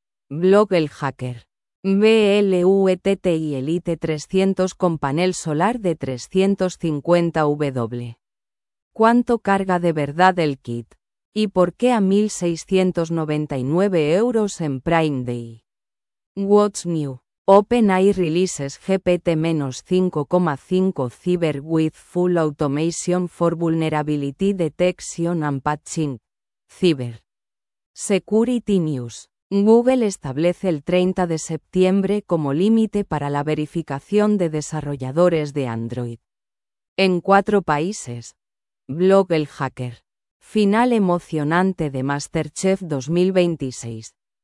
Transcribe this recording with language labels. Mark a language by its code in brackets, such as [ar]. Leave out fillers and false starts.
[es] Blog el hacker. BLUETTI Elite 300 con panel solar de 350 W. ¿Cuánto carga de verdad el kit? ¿Y por qué a 1.699 euros en Prime Day? [en] What's new? OpenAI releases GPT-5.5 Cyber with Full Automation for Vulnerability Detection and Patching. Cyber. Security News. [es] Google establece el 30 de septiembre como límite para la verificación de desarrolladores de Android. En 4 países. Blog el hacker. Final emocionante de MasterChef 2026.